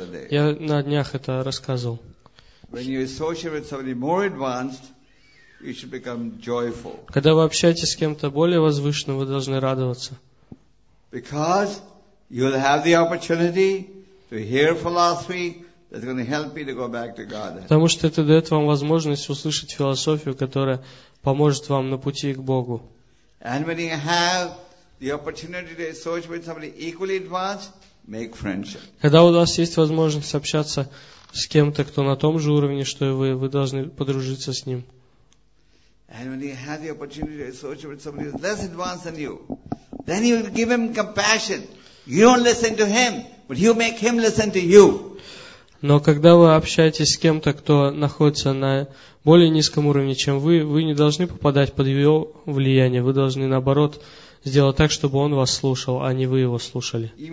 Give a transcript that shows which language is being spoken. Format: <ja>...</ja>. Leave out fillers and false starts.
<ru>Я на днях это рассказывал.</ru> <en>Advanced,</en> <ru>когда вы общаетесь с кем-то более возвышенным, вы должны радоваться.</ru> <en>Because You'll have the opportunity to hear philosophy that's going to help you to go back to Godhead.</en> <ru>Потому что это дает вам возможность услышать философию, которая поможет вам на пути к Богу.</ru> <en>And when you have the opportunity to associate with somebody equally advanced, make friendship.</en> <ru>Когда у вас есть возможность общаться с кем-то, кто на том же уровне, что и вы должны подружиться с ним.</ru> <en>And when you have the opportunity to associate with somebody less advanced than you, then you will give him compassion. You don't listen to him, but you make him listen to you.</en> <ru>Но когда вы общаетесь с кем-то, кто находится на более низком уровне, чем вы не должны попадать под его влияние. Вы должны, наоборот, сделать так, чтобы он вас слушал, а не вы его слушали.</ru>